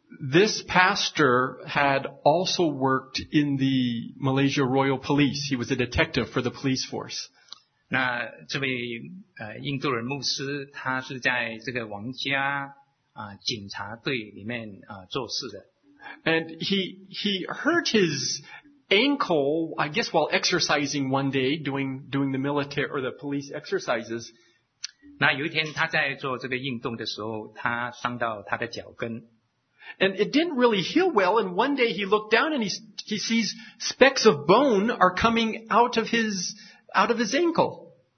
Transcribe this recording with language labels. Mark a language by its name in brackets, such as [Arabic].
[English] This pastor had also worked in the Malaysia Royal Police. He was a detective for the police force. [Chinese] 那这位印度人牧师，他是在这个王家警察队里面做事的。 [English] And he hurt his ankle, I guess, while exercising one day, doing the military or the police exercises. [Chinese] 那有一天他在做这个运动的时候，他伤到他的脚跟。 [English] And it didn't really heal well, and one day he looked down and he sees specks of bone are coming out of his ankle.